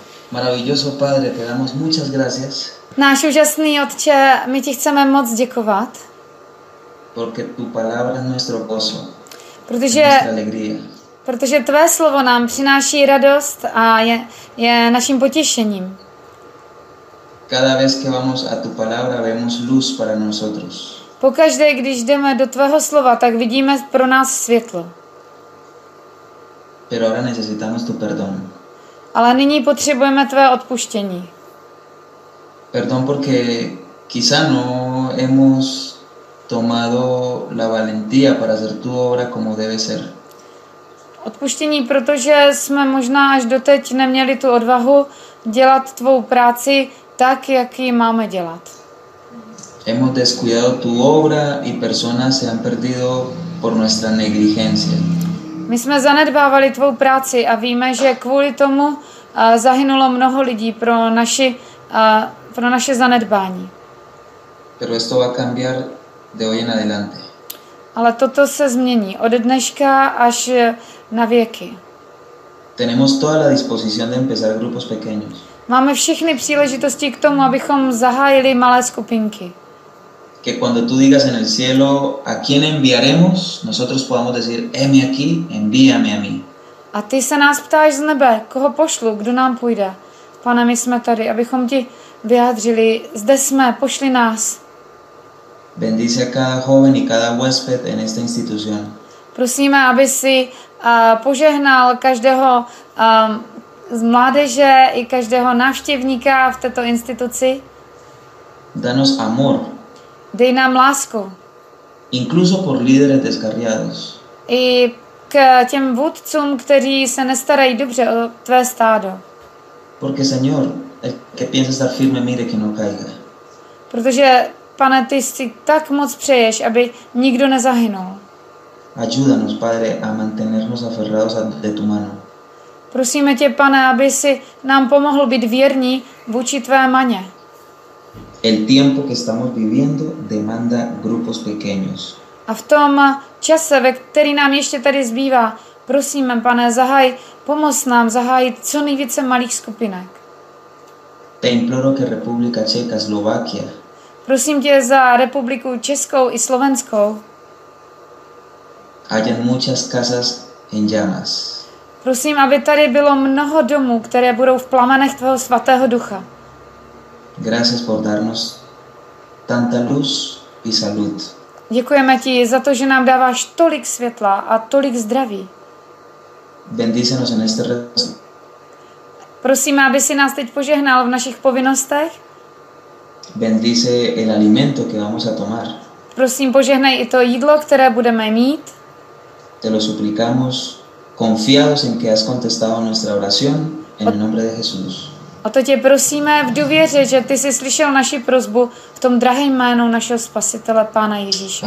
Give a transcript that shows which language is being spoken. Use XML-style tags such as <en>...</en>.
<es>Maravilloso Padre, te damos muchas gracias.</es> <cs>Náš úžasný Otče, my ti chceme moc děkovat.</cs> <es>Porque tu palabra es nuestro gozo.</es> <cs>Protože</cs> <es>nuestra alegría.</es> <cs>Protože tvé slovo nám přináší radost a je naším potěšením.</cs> <es>Cada vez que vamos a tu palabra vemos luz para nosotros.</es> <cs>Pokaždé, když jdeme do tvého slova, tak vidíme pro nás světlo.</cs> <es>Pero ahora necesitamos tu perdón.</es> <cs>Ale nyní potřebujeme tvé odpuštění.</cs> <es>Perdón porque quizá no hemos tomado la valentía para hacer tu obra como debe ser.</es> <cs>Odpuštění, protože jsme možná až doteď neměli tu odvahu dělat tvou práci tak, jak ji máme dělat.</cs> <es>Hemos descuidado tu obra y personas se han perdido por nuestra negligencia.</es> <cs>My jsme zanedbávali tvou práci a víme, že kvůli tomu zahynulo mnoho lidí pro naše zanedbání.</cs> <es>Pero esto va a cambiar de hoy en adelante.</es> <cs>Ale toto se změní od dneška až na věky.</cs> <es>Tenemos toda la disposición de empezar grupos pequeños.</es> <cs>Máme všechny příležitosti k tomu, abychom zahájili malé skupinky.</cs> <es>Que cuando tú digas en el cielo a quién enviaremos, nosotros podamos decir, heme aquí, envíame a mí.</es> <cs>A ty se nás ptáš z nebe, koho pošlu, kdo nám půjde. Pane, my jsme tady, abychom ti vyjádřili, zde jsme, pošli nás.</cs> <es>Bendice a cada joven y cada huésped en esta institución.</es> <cs>Prosíme, aby si požehnal každého z mládeže i každého návštěvníka v této instituci.</cs> <es>Danos amor.</es> <cs>Dej nám lásku.</cs> <es>Incluso por líderes descarriados.</es> <cs>I k těm vůdcům, kteří se nestarají dobře o tvé stádo.</cs> <es>Porque señor, el que piensa estar firme mire que no caiga.</es> <cs>Protože pane, ty si tak moc přeješ, aby nikdo nezahynul.</cs> <es>Ayúdanos, padre, a mantenernos aferrados de tu mano.</es> <cs>Prosíme tě, pane, aby si nám pomohl být věrní vůči tvé maně.</cs> <es>El tiempo que estamos viviendo demanda grupos pequeños.</es> <cs>A v tom čase, ve který nám ještě tady zbývá, prosíme, pane, zahaj, pomoz nám zahájit co nejvíce malých skupinek.</cs> <es>Te imploro que República Checa, Slovakia.</es> <cs>Prosím tě za Republiku Českou i Slovenskou.</cs> <es>Hayan muchas casas en llamas.</es> <cs>Prosím, aby tady bylo mnoho domů, které budou v plamenech tvého svatého ducha.</cs> <es>Gracias por darnos tanta luz y salud.</es> <cs>Děkujeme ti za to, že nám dáváš tolik světla a tolik zdraví.</cs> <es>Bendícenos en este rezo.</es> <cs>Prosíme, aby si nás teď požehnal v našich povinnostech.</cs> <es>Bendice el alimento que vamos a tomar.</es> <cs>Prosím, požehnej i to jídlo, které budeme mít.</cs> <es>Te lo suplicamos confiados en que has contestado nuestra oración en el nombre de Jesús.</es> <cs>A to tě prosíme v důvěře, že ty jsi slyšel naši prosbu v tom drahém jménu našeho spasitele Pána Ježíše.</cs>